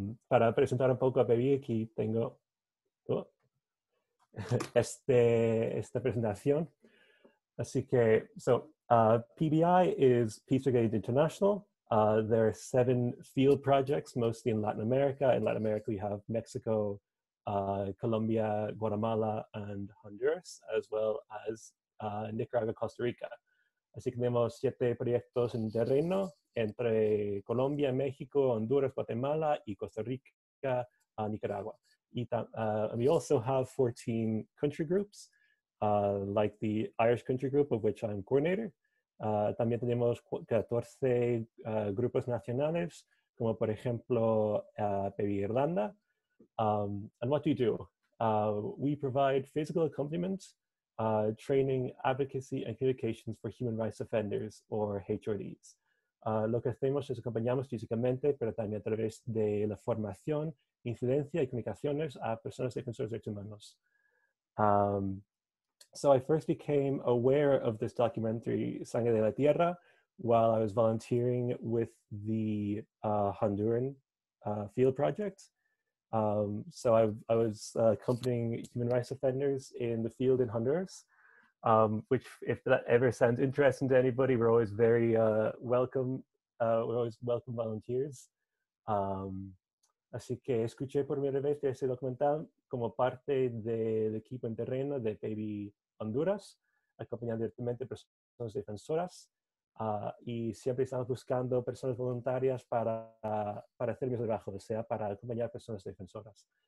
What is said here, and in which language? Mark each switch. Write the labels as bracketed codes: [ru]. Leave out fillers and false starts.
[es] Para presentar un poco a PBI, aquí tengo esta presentación. Así que, [en] PBI is Peace Brigade International. There are 7 field projects, mostly in Latin America. In Latin America, we have Mexico, Colombia, Guatemala, and Honduras, as well as Nicaragua, Costa Rica. [es] Así que tenemos 7 proyectos en terreno entre Colombia, México, Honduras, Guatemala, y Costa Rica, Nicaragua. [en] We also have 14 country groups, like the Irish country group, of which I'm coordinator. [es] También tenemos 14 grupos nacionales, como por ejemplo PBI Irlanda. [en] And what do we do? We provide physical accompaniment, training, advocacy, and communications for human rights offenders, or HRDs. [es] Lo que hacemos es acompañamos físicamente, pero también a través de la formación, incidencia y comunicaciones a personas defensoras de derechos humanos. [en] So I first became aware of this documentary, Sangre de la Tierra, while I was volunteering with the Honduran field project. So I was accompanying human rights offenders in the field in Honduras, which, if that ever sounds interesting to anybody, we're always very welcome. We're always welcome volunteers. [es] Así que escuché por primera vez ese documental como parte del equipo en terreno de PBI Honduras, acompañando directamente personas defensoras, y siempre estamos buscando personas voluntarias para hacer mi trabajo, o sea, para acompañar personas defensoras.